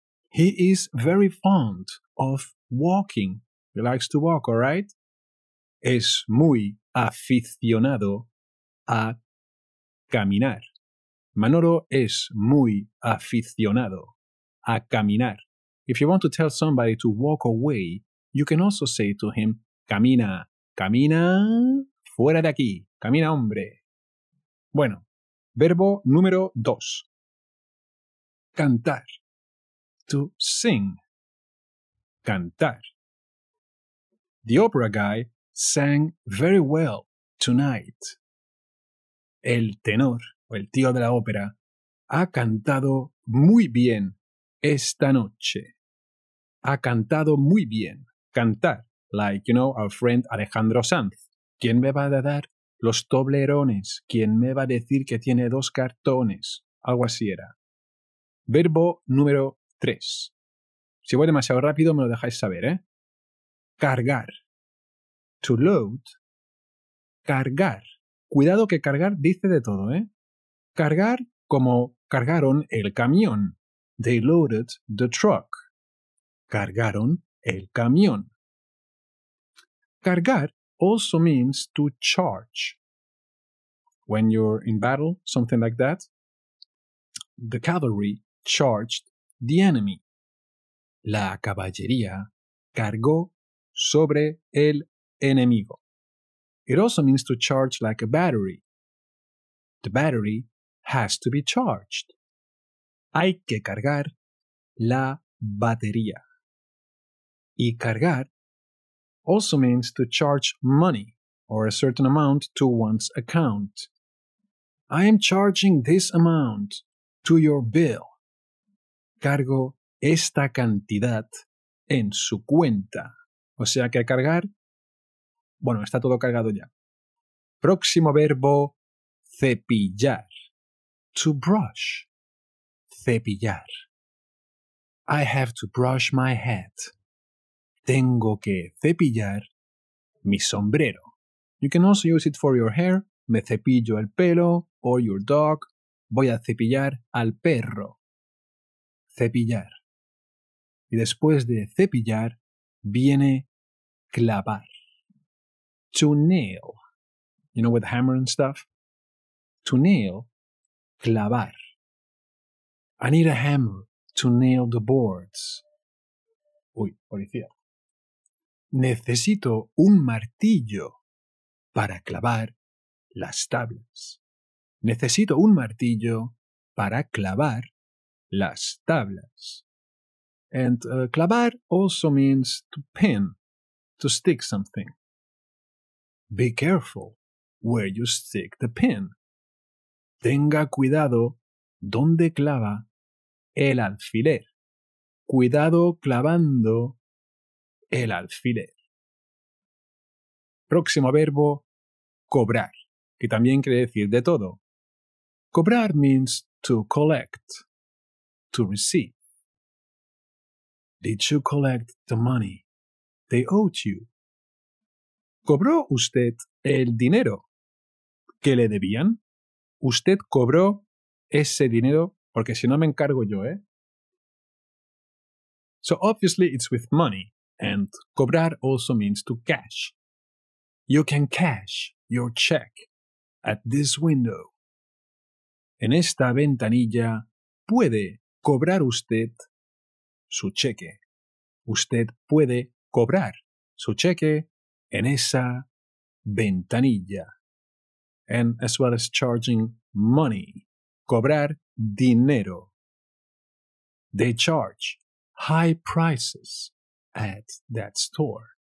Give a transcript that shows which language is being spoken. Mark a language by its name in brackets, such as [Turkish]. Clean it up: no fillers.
[English] He is very fond of walking. He likes to walk, all right? [Spanish] Es muy aficionado a caminar. Manolo es muy aficionado a caminar. [English] If you want to tell somebody to walk away, you can also say to him, [Spanish] camina, camina, fuera de aquí, camina, hombre. Bueno, verbo número 2. Cantar. [English] To sing. [Spanish] Cantar. [English] The opera guy sang very well tonight. [Spanish] El tenor, o el tío de la ópera, ha cantado muy bien esta noche. Ha cantado muy bien. Cantar, [English] like, you know, our friend [Spanish] Alejandro Sanz. ¿Quién me va a dar los toblerones? ¿Quién me va a decir que tiene dos cartones? Algo así era. Verbo número 3. Si voy demasiado rápido, me lo dejáis saber, ¿eh? Cargar. [English] To load. [Spanish] Cargar. Cuidado que cargar dice de todo, ¿eh? Cargar como cargaron el camión. [English] They loaded the truck. [Spanish] Cargaron el camión. [English] Cargar also means to charge. When you're in battle, something like that. The cavalry charged the enemy. [Spanish] La caballería cargó sobre el enemigo. [English] It also means to charge like a battery. The battery has to be charged. [Spanish] Hay que cargar la batería. [English] Y cargar also means to charge money or a certain amount to one's account. I am charging this amount to your bill. [Spanish] Cargo esta cantidad en su cuenta. O sea que cargar, bueno, está todo cargado ya. Próximo verbo, cepillar. [English] To brush. Cepillar. I have to brush my head. [Spanish] Tengo que cepillar mi sombrero. [English] You can also use it for your hair. [Spanish] Me cepillo el pelo. [English] Or your dog. [Spanish] Voy a cepillar al perro. Cepillar. Y después de cepillar, viene clavar. [English] To nail. You know, with hammer and stuff. To nail. Clavar. I need a hammer to nail the boards. [Spanish] Uy, policía. Necesito un martillo para clavar las tablas. Necesito un martillo para clavar las tablas. [English] And clavar also means to pin, to stick something. Be careful where you stick the pin. [Spanish] Tenga cuidado donde clava el alfiler. Cuidado clavando el alfiler. Próximo verbo, cobrar, que también quiere decir de todo. [English] Cobrar means to collect, to receive. Did you collect the money they owed you? [Spanish] ¿Cobró usted el dinero que le debían? ¿Usted cobró ese dinero? Porque si no, me encargo yo, ¿eh? [English] So obviously it's with money, and cobrar also means to cash. You can cash your check at this window. [Spanish] En esta ventanilla puede cobrar usted su cheque. Usted puede cobrar su cheque en esa ventanilla. [English] And as well as charging money. [Spanish] Cobrar dinero. [English] They charge high prices at that store.